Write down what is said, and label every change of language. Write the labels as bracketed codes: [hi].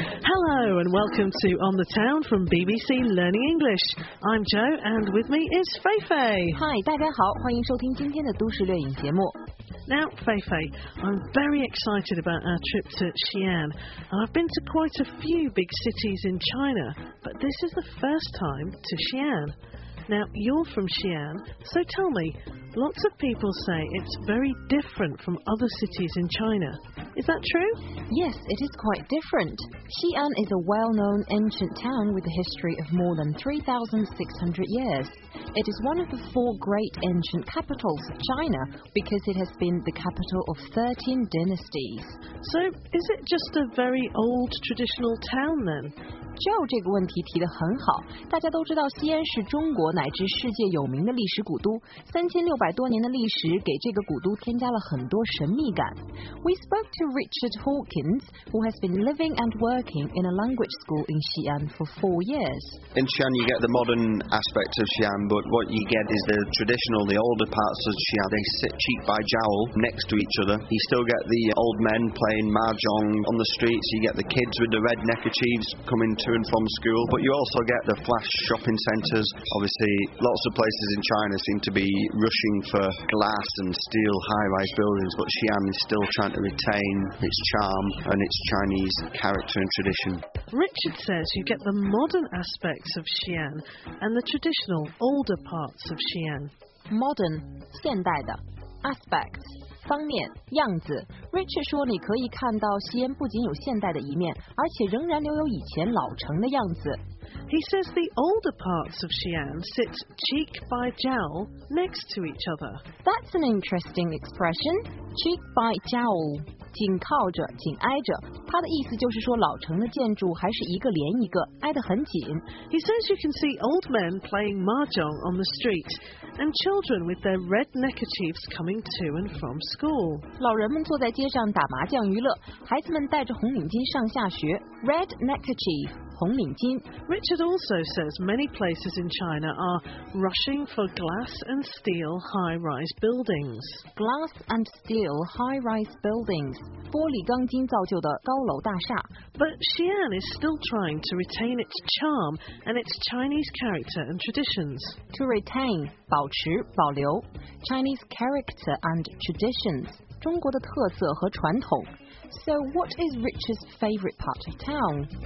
[en] Hello and welcome to On the Town from BBC Learning English. I'm Jo and with me is Feifei. [zh] Hi, 大家好，欢迎收听今天的都市绿影节目。 [en] Now, Feifei, I'm very excited about our trip to Xi'an. I've been to quite a few big cities in China, but this is the first time to Xi'an. Now, you're from Xi'an, so tell me, lots of people say it's very different from other cities in China. Is that true? Yes, it is quite different. Xi'an is a well-known ancient town with a history of more than 3,600 years. It is one of the four great ancient capitals of China because it has been the capital of 13 dynasties. So, is it just a very old traditional town then? [zh] Joe 这个问题提得很好，大家都知道西安是中国乃至世界有名的历史古都，3600多年的历史给这个古都添加了很多神秘感。 [en] We spoke to Richard Hawkins, who has been living and working in a language school in Xi'an for 4 years. In Xi'an you get the modern aspect of Xi'an, but what you get is the traditional, the older parts of Xi'an. They sit cheek by jowl next to each other. You still get the old men playing mahjong on the streets, you get the kids with the red neckerchiefs comingto and from school, but you also get the flash shopping centres. Obviously, lots of places in China seem to be rushing for glass and steel high-rise buildings, but Xi'an is still trying to retain its charm and its Chinese character and tradition. Richard says you get the modern aspects of Xi'an and the traditional older parts of Xi'an. Modern, [zh] 现代的 [en] aspects. [zh] 方面样子 Richard 说你可以看到西安不仅有现代的一面而且仍然留有以前老城的样子 [en] He says the older parts of Xi'an sit cheek by jowl next to each other That's an interesting expression Cheek by jowl [zh] 紧靠着紧挨着他的意思就是说老城的建筑还是一个连一个挨得很紧 [en] He says you can see old men playing mahjong on the street and children with their red neckerchiefs coming to and from school [zh] 老人们坐在街上打麻将娱乐孩子们戴着红领巾上下学 [en] Red neckerchief [zh] 红领巾 [en] Richard also says many places in China are rushing for glass and steel high-rise buildings. Glass and steel high-rise buildings. [zh] 玻璃钢筋造就的高楼大厦 [en] But Xi'an is still trying to retain its charm and its Chinese character and traditions. To retain, [zh] 保持保留 [en] Chinese character and traditions. [zh] 中国的特色和传统 [en] So, what is Richard's favourite part of town?